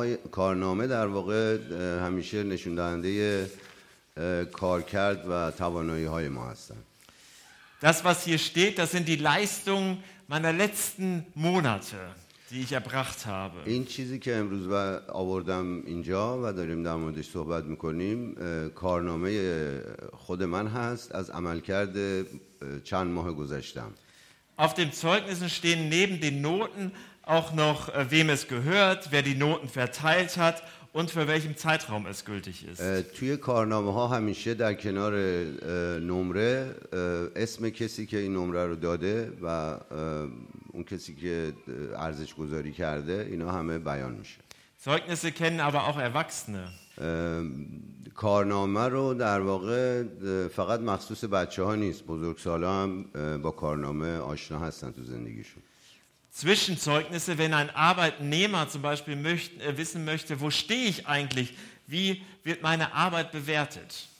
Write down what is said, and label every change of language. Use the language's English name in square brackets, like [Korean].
[Persian] کارنامه در واقع همیشه نشون دهنده کارکرد و توانایی های ما هستن. [German] Das was hier steht, das sind die Leistungen meiner letzten Monate. Die ich erbracht habe. [Persian] این چیزی که امروز آوردم اینجا و داریم در موردش صحبت میکنیم کارنامه خود من هست از عملکرد چند ماه گذشتم. [German] Auf den Zeugnissen stehen neben den Noten auch noch wem es gehört, wer die Noten verteilt hat und für welchen Zeitraum es gültig ist. [Persian] توی کارنامه ها همیشه در کنار نمره اسم کسی که این نمره رو داده و اون کسی که ارزش گذاری کرده اینا همه بیان میشه. [German] Zeugnisse kennen aber auch Erwachsene. [Persian] کارنامه رو در واقع فقط مخصوص بچه‌ها نیست، بزرگسالا هم با کارنامه آشنا هستن تو زندگیشون. [German] Zwischenzeugnisse, wenn ein Arbeitnehmer zum Beispiel wissen möchte, wo stehe ich eigentlich, wie wird meine Arbeit bewertet?